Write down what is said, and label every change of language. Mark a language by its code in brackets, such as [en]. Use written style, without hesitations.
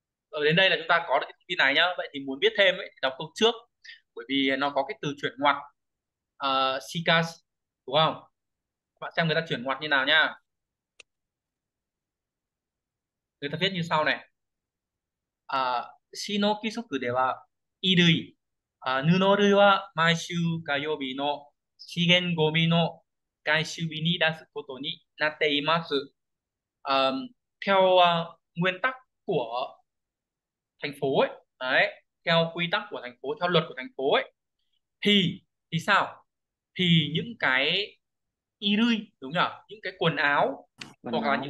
[vi] Ở đến đây là chúng ta có được cái thông tin này nhá. Vậy thì muốn biết thêm ấy, đọc câu trước, bởi vì nó có cái từ chuyển ngoặt shikas đúng không? Bạn xem người ta chuyển ngoặt như nào nhá. Người ta viết như sau này. [ja] Shi no kisoku では衣類 布類は毎週火曜日の資源ゴミの回収日に出すことになっています。 [vi] theo nguyên tắc của thành phố ấy, đấy, theo quy tắc của thành phố, theo luật của thành phố ấy, thì sao? Thì những cái衣類 đúng nhỉ? Những cái quần áo Quần hoặc là những